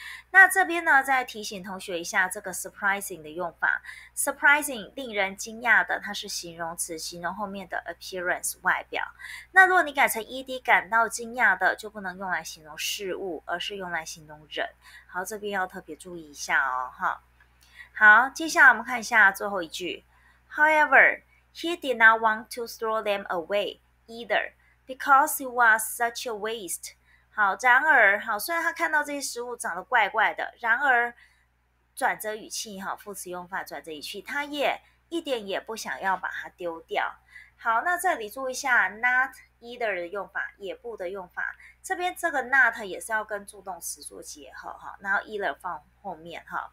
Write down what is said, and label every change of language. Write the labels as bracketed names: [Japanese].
[Chinese] 那这边呢再提醒同学一下这个 surprising 的用法， surprising 令人惊讶的，它是形容词，形容后面的 appearance 外表。那如果你改成 ed 感到惊讶的，就不能用来形容事物，而是用来形容人。好，这边要特别注意一下哦。好，好，接下来我们看一下最后一句。 [English] However, he did not want to throw them away either, because it was such a waste. [Chinese] 好，然而，好，虽然他看到这些食物长得怪怪的，然而，转折语气，好，副词用法转折语气，他也一点也不想要把它丢掉。好，那这里注意一下 not either 的用法，也不的用法。这边这个 not 也是要跟助动词做结合，然后 either 放后面。